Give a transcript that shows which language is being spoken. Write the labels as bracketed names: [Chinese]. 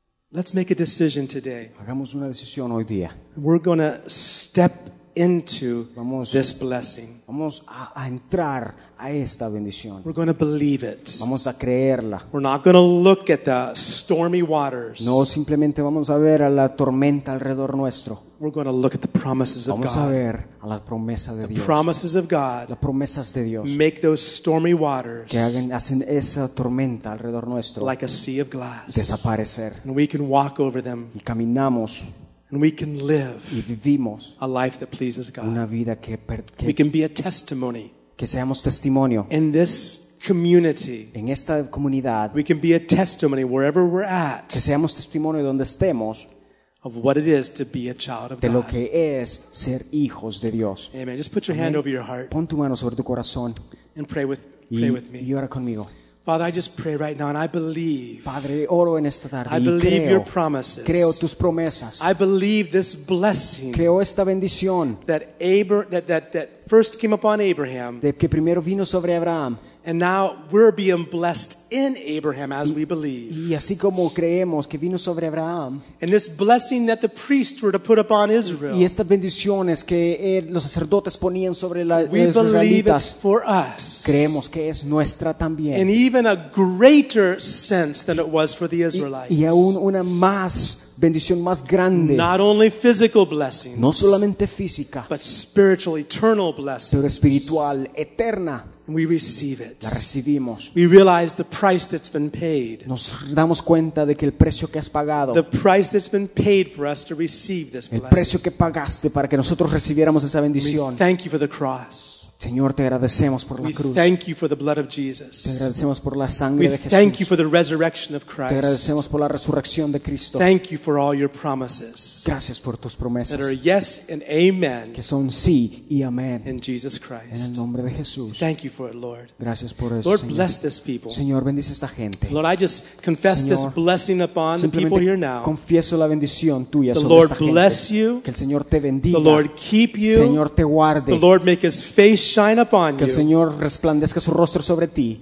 [English] Let's make a decision today. [Spanish] Hagamos una decisión hoy día. [English] We're going to step into this blessing. [Spanish] Vamos a entrar a esta bendición. [English] We're going to believe it. [Spanish] Vamos a creerla. [English] We're not going to look at the stormy waters. [Spanish] No, simplemente vamos a ver a la tormenta alrededor nuestro. [English] We're going to look at the promises of God. [Spanish] Vamos a ver a la promesa de Dios. [English] The promises of God. [Spanish] Las promesas de Dios. [English] Make those stormy waters. [Spanish] Que hacen esa tormenta alrededor nuestro. [English] Like a sea of glass. [Spanish] Desaparecer. [English] And we can walk over them. [Spanish] Y caminamos. [English] And we can live. [Spanish] Y vivimos. [English] A life that pleases God. [Spanish] Una vida que [English] we can be a testimony. [Spanish] Que seamos testimonio. [English] In this community. [Spanish] En esta comunidad. [English] We can be a testimony wherever we're at. [Spanish] Que seamos testimonio donde estemos. [English] Of what it is to be a child of God. [Spanish] De lo que es ser hijos de Dios. [English] Amen. Just put your hand over your heart. [Spanish] Pon tu mano sobre tu corazón. [English] And pray with me. [Spanish] Y ora conmigo. [English] Father, I just pray right now, and I believe. [Spanish] Padre, oro en esta tarde. [English] I believe [Spanish] creo, [English] your promises. [Spanish] Creo tus promesas. [English] I believe this blessing. [Spanish] Creo esta bendición. [English] That first came upon Abraham. [Spanish] De que primero vino sobre Abraham. [English] And now we're being blessed in Abraham as we believe. [Spanish] Y así como creemos que vino sobre Abraham. [English] And this blessing that the priests were to put upon Israel. [Spanish] Y estas bendiciones que los sacerdotes ponían sobre la [English] we believe it's for us. [Spanish] Creemos que es nuestra también. [English] In even a greater sense than it was for the Israelites. [Spanish] Y aún una más bendición más grande. [English] Not only physical blessings. [Spanish] No solamente física. [English] But spiritual, eternal blessings. [Spanish] Pero espiritual, eterna. [English] We receive it. [Spanish] La recibimos. [English] We realize the price that's been paid. [Spanish] Nos damos cuenta de que el precio que has pagado. [English] The price that's been paid for us to receive this blessing. [Spanish] El precio que pagaste para que nosotros recibiéramos esa bendición. [English] We thank you for the cross. [Spanish] Señor, te agradecemos por la cruz. [English] We thank you for the blood of Jesus. [Spanish] Te agradecemos por la sangre [English] we [Spanish] de Jesús. [English] We thank you for the resurrection of Christ. [Spanish] Te agradecemos por la resurrección de Cristo. [English] Thank you for all your promises. [Spanish] Gracias por tus promesas. [English] That are yes and amen. [Spanish] Que son sí y amén. [English] In Jesus Christ. [Spanish] En el nombre de Jesús. [English] Thank you for it, Lord. [Spanish] Gracias por eso, [English] Lord, [Spanish] Señor. [English] Bless this people. [Spanish] Señor, bendice esta gente. [English] Lord, I just confess [Spanish] Señor, [English] this blessing upon the people here now. [Spanish] Confieso la bendición tuya [English] the [Spanish] sobre [English] Lord [Spanish] esta gente. [English] Bless you. [Spanish] Que el Señor te bendiga. [English] The Lord keep you. [Spanish] Señor, te guarde. [English] The Lord make his face shine upon you. [Spanish] Que el Señor resplandezca su rostro sobre ti.